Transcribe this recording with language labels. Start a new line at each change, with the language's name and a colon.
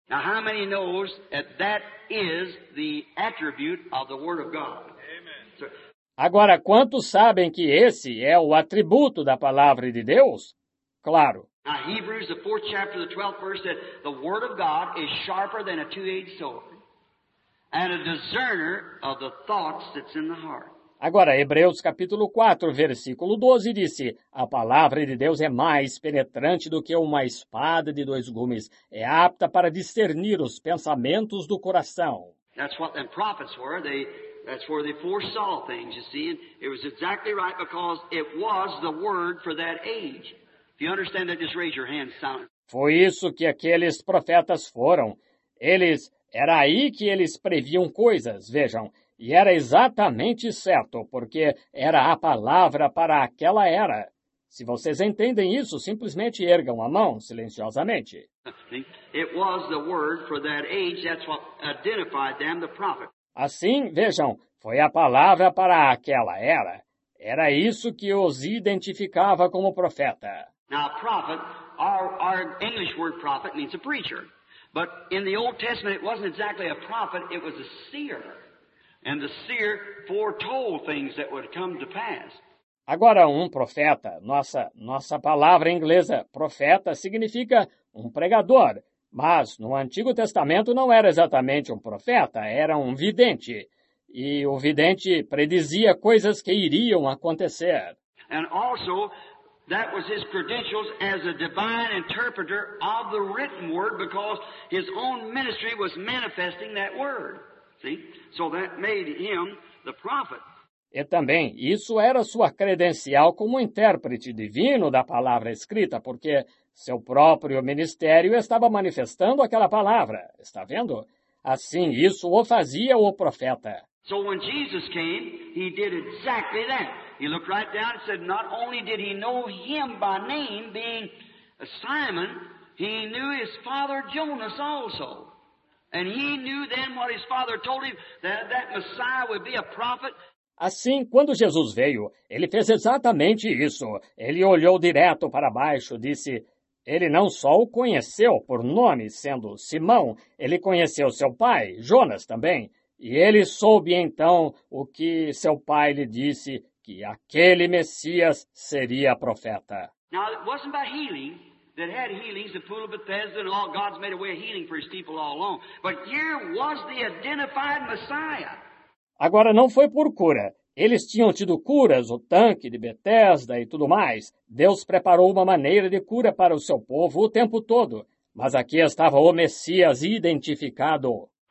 English: Now, how many knows that that is the attribute of the Word of God? Amen.
Portuguese: Agora, quantos sabem que esse é o atributo da palavra de Deus? Claro.
English: Now, Hebrews, the 4th chapter, the 12th verse, said, the word of God is sharper than a two-edged sword, and a discerner of the thoughts that's in the heart.
Portuguese: Agora, Hebreus, capítulo 4, versículo 12, disse, a palavra de Deus é mais penetrante do que uma espada de dois gumes, é apta para discernir os pensamentos do coração.
English: That's what the prophets were. That's where they foresaw things, you see, and it was exactly right because it was the word for that age. If you understand that, just raise your hand, silent.
Portuguese: Foi isso que aqueles profetas foram. Eles, era aí que eles previam coisas, vejam. E era exatamente certo, porque era a palavra para aquela era. Se vocês entendem isso, simplesmente ergam a mão silenciosamente.
English: It was the word for that age, that's what identified them, the prophet.
Portuguese: Assim, vejam, foi a palavra para aquela era. Era isso que os identificava como profeta.
English: Now, a prophet, our English word prophet means a preacher. But in the Old Testament, it wasn't exactly a prophet, it was a seer. And the seer foretold things that would come to pass.
Portuguese: Agora, um profeta, nossa palavra inglesa, profeta, significa um pregador. Mas no Antigo Testamento não era exatamente um profeta, era um vidente. E o vidente predizia coisas que iriam acontecer.
English: And also, that was his credentials as a divine interpreter of the written word because his own ministry was manifesting that word. See? So that made him the prophet.
Portuguese: E também, isso era sua credencial como intérprete divino da palavra escrita, porque seu próprio ministério estava manifestando aquela palavra. Está vendo? Assim, isso o fazia o profeta.
English: So when Jesus came, he did exactly that. He looked right down and said, not only did he know him by name, being Simon, he knew his father Jonas also. And he knew then what his father told him, that Messiah would be a prophet.
Portuguese: Assim, quando Jesus veio, ele fez exatamente isso. Ele olhou direto para baixo, disse, ele não só o conheceu por nome, sendo Simão, ele conheceu seu pai, Jonas, também. E ele soube, então, o que seu pai lhe disse, que aquele Messias seria profeta.
English: Now, it wasn't by healing that had healings, the pool of Bethesda and all, God's made a way of healing for his people all along. But here was the identified Messiah.
Portuguese: Agora, não foi por cura. Eles tinham tido curas, o tanque de Betesda e tudo mais. Deus preparou uma maneira de cura para o seu povo o tempo todo. Mas aqui estava o Messias identificado.